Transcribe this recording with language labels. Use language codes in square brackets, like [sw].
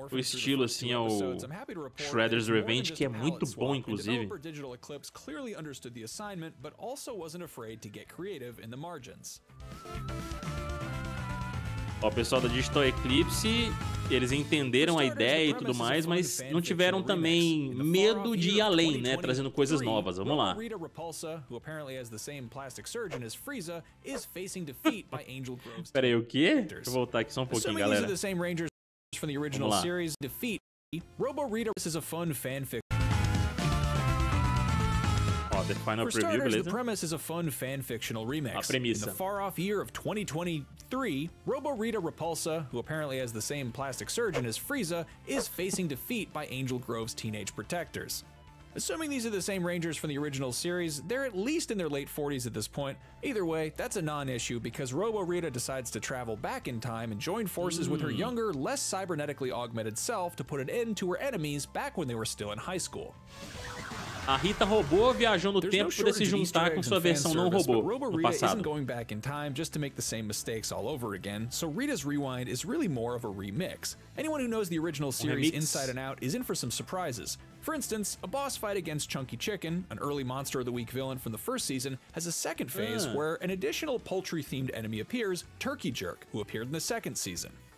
[pt] O estilo, assim, ao Shredder's Revenge, que é muito bom, inclusive. [en] O Digital Eclipse clearly understood the assignment, but also wasn't afraid to get creative in the margins. [pt] Ó, o pessoal da Digital Eclipse, eles entenderam a ideia e tudo mais, mas não tiveram também medo de ir além, né, trazendo coisas novas. Vamos lá. [en] Rita Repulsa, who apparently has the same plastic surgeon as Frieza, is facing defeat by Angel Grove. [pt] Espera aí, o quê? Deixa eu voltar aqui só um pouquinho, galera. [en] The same Rangers from the original series defeat Robo Rita. This is a fun fanfic. Ó, the final preview, beleza? The premise is a fun fanfictional remix. [pt] A premissa. [en] In the far off year of 2023, Robo Rita Repulsa, who apparently has the same plastic surgeon as Frieza, is facing defeat by Angel Grove's teenage protectors. Assuming these are the same Rangers from the original series, they're at least in their late 40s at this point. Either way, that's a non-issue because Robo Rita decides to travel back in time and join forces with her younger, less cybernetically augmented self to put an end to her enemies back when they were still in high school. [pt] A Rita robô viajou no tempo para se juntar com sua versão não robô do passado. [en] Isn't going back in time just to make the same mistakes all over again. So Rita's Rewind is really more of a remix. Anyone who knows the original series inside and out is in for some surprises. For instance, a boss fight against Chunky Chicken, an early Monster of the Week villain from the first season, has a second phase where an additional poultry-themed enemy appears, Turkey Jerk, who appeared in the second season.